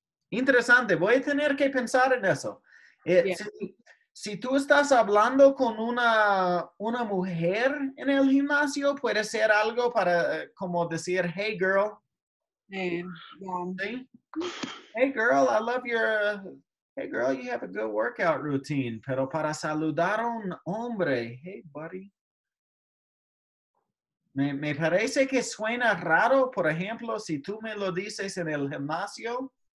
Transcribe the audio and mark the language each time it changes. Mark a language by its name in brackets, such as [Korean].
[Spanish] Interesante. Voy a tener que pensar en eso. Si tú estás hablando con una mujer en el gimnasio, puede ser algo para como decir, [English] hey, girl. [Spanish] Sí. [English] Hey, girl, I love your... Hey, girl, you have a good workout routine. [Spanish] Pero para saludar a un hombre, [English] hey, buddy. [Spanish] Me parece que suena raro, por ejemplo, si tú me lo dices en el gimnasio.